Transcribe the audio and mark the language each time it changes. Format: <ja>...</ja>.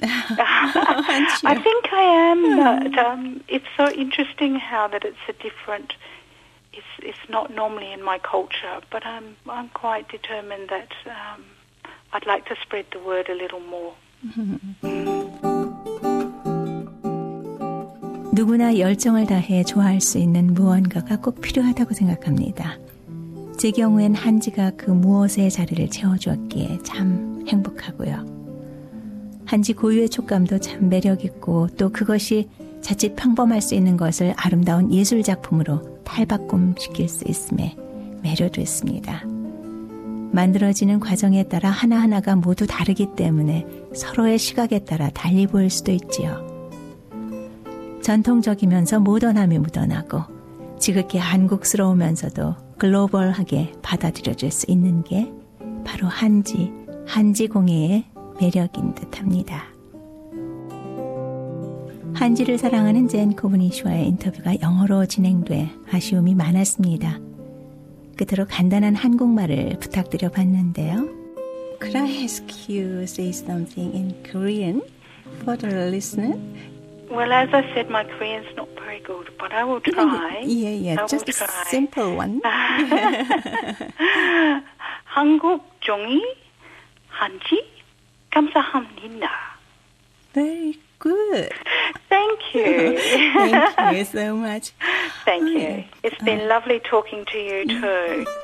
<en>I think I am. But, it's so interesting how that it's a different. It's not normally in my culture, but I'm quite determined that I'd like to spread the word a little more.</en> <ko>누구나 열정을 다해 좋아할 수 있는 무언가가 꼭 필요하다고 생각합니다. 제 경우엔 한지가 그 무엇의 자리를 채워주었기에 참 행복하고요. 한지 고유의 촉감도 참 매력있고 또 그것이 자칫 평범할 수 있는 것을 아름다운 예술작품으로 탈바꿈시킬 수 있음에 매료됐습니다. 만들어지는 과정에 따라 하나하나가 모두 다르기 때문에 서로의 시각에 따라 달리 보일 수도 있지요. 전통적이면서 모던함이 묻어나고 지극히 한국스러우면서도 글로벌하게 받아들여질 수 있는 게 바로 한지 공예의 매력인 듯합니다. 한지를 사랑하는 젠 코브니쇼와의 인터뷰가 영어로 진행돼 아쉬움이 많았습니다. 끝으로 간단한 한국말을 부탁드려 봤는데요.</ko> <en>Could I ask you say something in Korean for the listener? Well, as I said, my Korean's not very good, but I will try. Yeah, yeah, I just a simple one.</en> <ko>한국 종이 한지 감사합니다.</ko> <en>Very good. Thank you. Thank you so much. Thank you. It's been lovely talking to you too.</en>